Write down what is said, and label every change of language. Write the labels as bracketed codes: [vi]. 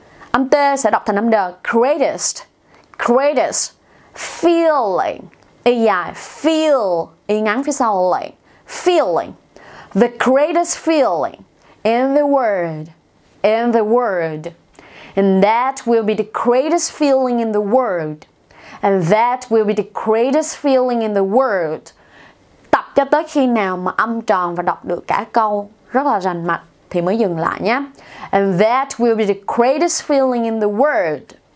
[vi] Âm t sẽ đọc thành âm d, [en] greatest, greatest. Feeling, yeah, feel, [vi] y ngắn phía sau lại. [en] Feeling, the greatest feeling in the world, in the world. And that will be the greatest feeling in the world. And that will be the greatest feeling in the world. [vi] Tập cho tới khi nào mà âm tròn và đọc được cả câu rất là rành mạch thì mới dừng lại nhé. [en] And that will be the greatest feeling in the world.